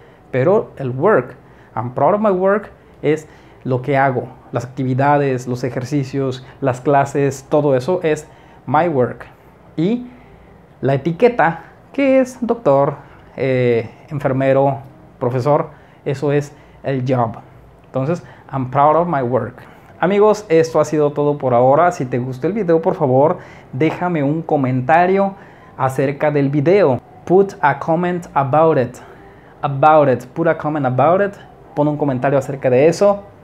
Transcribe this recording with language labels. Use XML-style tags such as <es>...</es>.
<es>Pero el work,</es> <en>I'm proud of my work,</en> <es>es lo que hago. Las actividades, los ejercicios, las clases, todo eso es</es> <en>my work.</en> <es>Y la etiqueta, que es doctor, enfermero, profesor, eso es el job.</es> <en>Entonces, I'm proud of my work.</en> <es>Amigos, esto ha sido todo por ahora. Si te gustó el video, por favor, déjame un comentario acerca del video.</es> <en>Put a comment about it. About it. Put a comment about it.</en> <es>Pon un comentario acerca de eso.</es>